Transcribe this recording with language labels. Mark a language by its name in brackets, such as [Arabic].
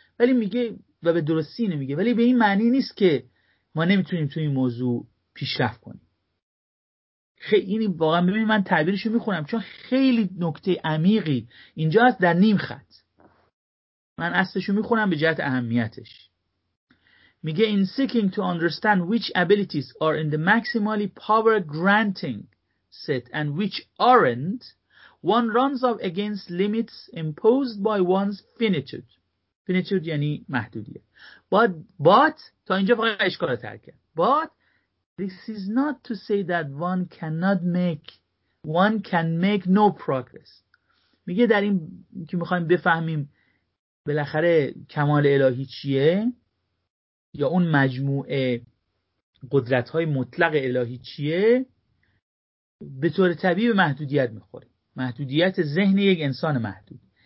[Persian] ولی میگه و به درستی نمیگه، ولی به این معنی نیست که ما نمیتونیم تو این موضوع پیشرفت کنیم. خیلی این واقعا ببینید من تعبیرشو میخونم چون خیلی نکته عمیقی اینجا هست در نیم خط. من اصلشو میخونم به جهت اهمیتش. میگه [English] in seeking to understand which abilities are in the maximally power granting set and which aren't, one runs up against limits imposed by one's finitude. [Persian] finitude یعنی محدودیت. [English] But [Persian] تا اینجا فقط اشکال ترکه. [English] But this is not to say that one can make no progress. [Persian] میگه در این که میخوایم بفهمیم بالاخره کمال الهی چیه یا اون مجموعه قدرت‌های مطلق الهی چیه، به طور طبیعی به محدودیت میخوره، محدودیت ذهن یک انسان محدود.